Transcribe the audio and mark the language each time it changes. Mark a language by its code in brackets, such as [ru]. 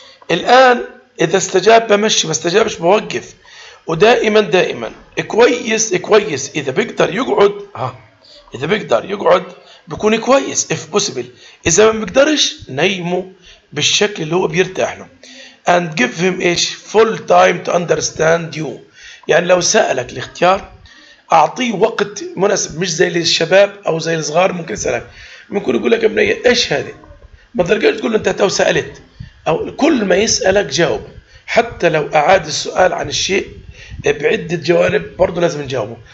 [ar] الآن إذا استجاب بمشي، ما استجابش بوقف. ودائما دائما كويس كويس إذا بيقدر يقعد، ها إذا بيقدر يقعد بيكون كويس [en] if possible. [ar] إذا ما بيقدرش نيمه بالشكل اللي هو بيرتاح له. [en] And give him إيش full time to understand you. [ar] يعني لو سألك الاختيار أعطيه وقت مناسب، مش زي الشباب أو زي الصغار ممكن يسألك، ممكن يقول لك يا ابني إيش هذه، ما تقدرش تقول له أنت تو سألت، أو كل ما يسألك جاوب، حتى لو أعاد السؤال عن الشيء بعدة جوانب برضو لازم نجاوبه.